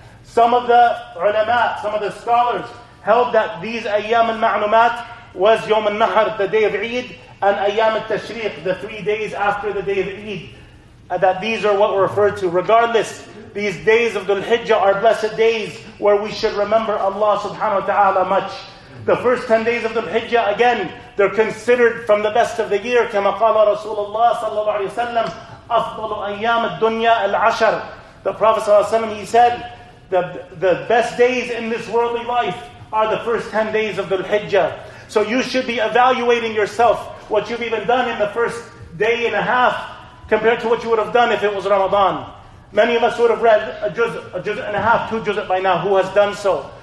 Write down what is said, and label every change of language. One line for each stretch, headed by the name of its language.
English: Some of the ulama, some of the scholars, held that these ayyam al-ma'lumat was yawm al-nahr, the day of Eid, and ayyam al-tashriq, the 3 days after the day of Eid. That these are what were referred to. Regardless, these days of Dhul-Hijjah are blessed days where we should remember Allah subhanahu wa ta'ala much. The first 10 days of Dhul-Hijjah, again, they're considered from the best of the year.
Arabic: كما قال رسول الله صلى الله عليه وسلم أفضل أيام الدنيا العشر.
English: The Prophet صلى الله عليه وسلم, he said, the best days in this worldly life are the first 10 days of Dhul-Hijjah. So you should be evaluating yourself, what you've even done in the first day and a half, compared to what you would have done if it was Ramadan. Many of us would have read a juz and a half, two juz by now. Who has done so?